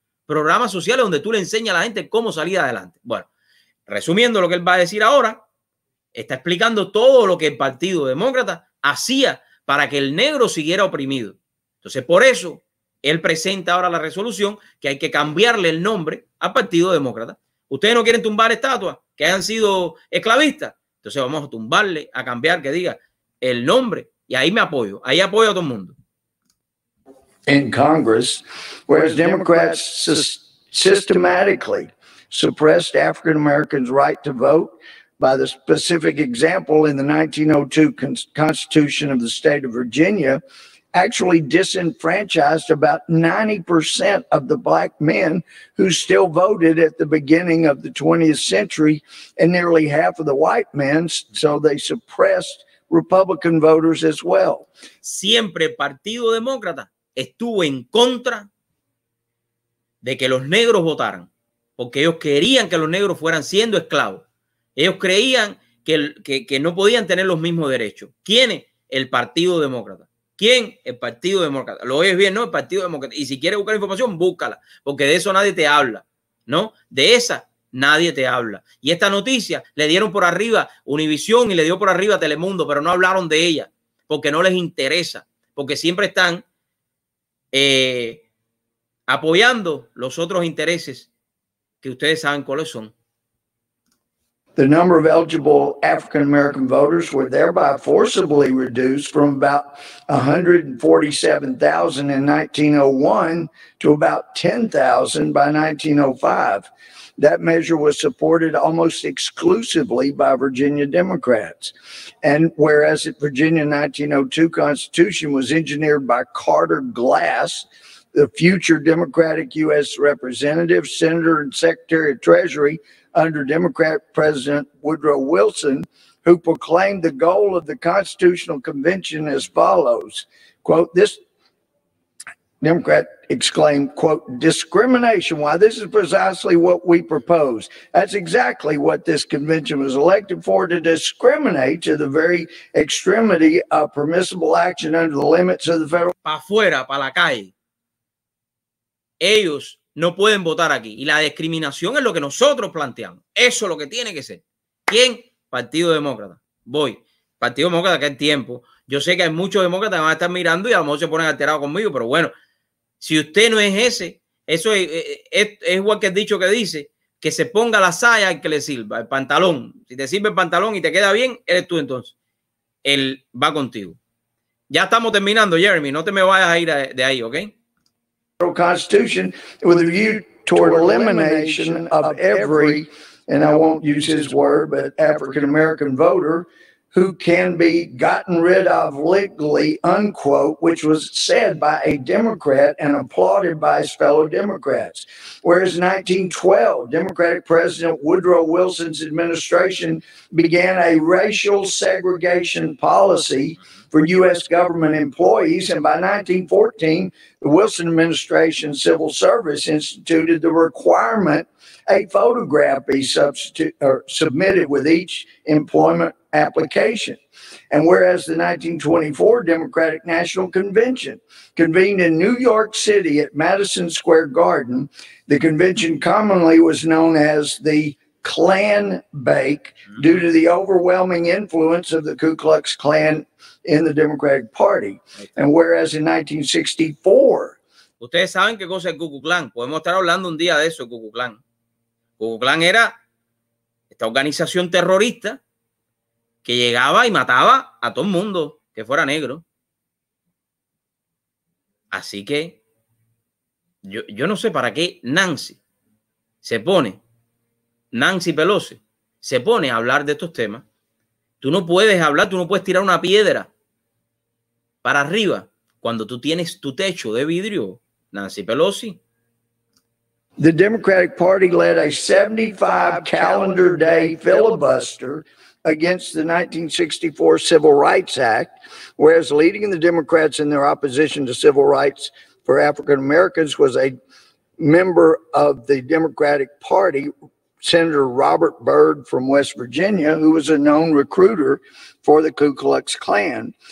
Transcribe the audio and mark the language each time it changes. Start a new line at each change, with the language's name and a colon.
Spanish: Programas sociales donde tú le enseñas a la gente cómo salir adelante. Bueno, resumiendo lo que él va a decir ahora, está explicando todo lo que el Partido Demócrata hacía para que el negro siguiera oprimido. Entonces, por eso él presenta ahora la resolución que hay que cambiarle el nombre al Partido Demócrata. Ustedes no quieren tumbar estatuas que hayan sido esclavistas. Entonces vamos a tumbarle, a cambiar, que diga el nombre. Y ahí me apoyo. Ahí apoyo a todo el mundo.
English: In Congress, whereas Democrats systematically suppressed African Americans' right to vote by the specific example in the 1902 Constitution of the state of Virginia, actually disenfranchised about 90% of the black men who still voted at the beginning of the 20th century and nearly half of the white men, so they suppressed Republican voters as well.
Spanish: Siempre Partido Demócrata estuvo en contra de que los negros votaran, porque ellos querían que los negros fueran siendo esclavos. Ellos creían que no podían tener los mismos derechos. ¿Quién es? El Partido Demócrata. ¿Quién? El Partido Demócrata. Lo oyes bien, ¿no? El Partido Demócrata. Y si quieres buscar información, búscala, porque de eso nadie te habla, ¿no? De esa nadie te habla. Y esta noticia le dieron por arriba Univisión y le dio por arriba Telemundo, pero no hablaron de ella porque no les interesa, porque siempre están apoyando los otros intereses que ustedes saben cuáles son.
English: The number of eligible African American voters were thereby forcibly reduced from about 147,000 in 1901 to about 10,000 by 1905. That measure was supported almost exclusively by Virginia Democrats. And whereas the Virginia 1902 Constitution was engineered by Carter Glass, the future Democratic U.S. Representative, Senator, and Secretary of Treasury under Democrat President Woodrow Wilson, who proclaimed the goal of the Constitutional Convention as follows, quote, this Democrat exclaimed, quote, discrimination. Why, this is precisely what we propose. That's exactly what this convention was elected for, to discriminate to the very extremity of permissible action under the limits of the federal.
Spanish: Pa fuera, pa la calle. Ellos no pueden votar aquí. Y la discriminación es lo que nosotros planteamos. Eso es lo que tiene que ser. ¿Quién? Partido Demócrata. Voy. Partido Demócrata, que hay tiempo. Yo sé que hay muchos demócratas que van a estar mirando y a lo mejor se ponen alterados conmigo, pero bueno. Si usted no es ese, eso es igual que el dicho que dice que se ponga la saya y que le sirva el pantalón. Si te sirve el pantalón y te queda bien, eres tú entonces. Él va contigo. Ya estamos terminando, Jeremy. No te me vayas a ir de ahí, ¿ok?
English: Constitution with a view toward elimination of every, and I won't use his word, but African-American voter who can be gotten rid of legally, unquote, which was said by a Democrat and applauded by his fellow Democrats. Whereas 1912, Democratic President Woodrow Wilson's administration began a racial segregation policy for U.S. government employees. And by 1914, the Wilson administration civil service instituted the requirement a photograph be submitted with each employment application. And whereas the 1924 Democratic National Convention convened in New York City at Madison Square Garden, the convention commonly was known as the Klan Bake due to the overwhelming influence of the Ku Klux Klan in the Democratic Party. And whereas in 1964,
Spanish: ustedes saben qué cosa es Ku Klux Klan. Podemos estar hablando un día de eso, Ku Klux Klan. Ku Klux Klan era esta organización terrorista que llegaba y mataba a todo el mundo que fuera negro. Así que yo no sé para qué Nancy Pelosi se pone a hablar de estos temas. Tú no puedes hablar, tú no puedes tirar una piedra para arriba cuando tú tienes tu techo de vidrio, Nancy Pelosi.
English: The Democratic Party led a 75 calendar day filibuster against the 1964 Civil Rights Act, whereas leading the Democrats in their opposition to civil rights for African Americans was a member of the Democratic Party, Senator Robert Byrd from West Virginia, who was a known recruiter for the Ku Klux Klan.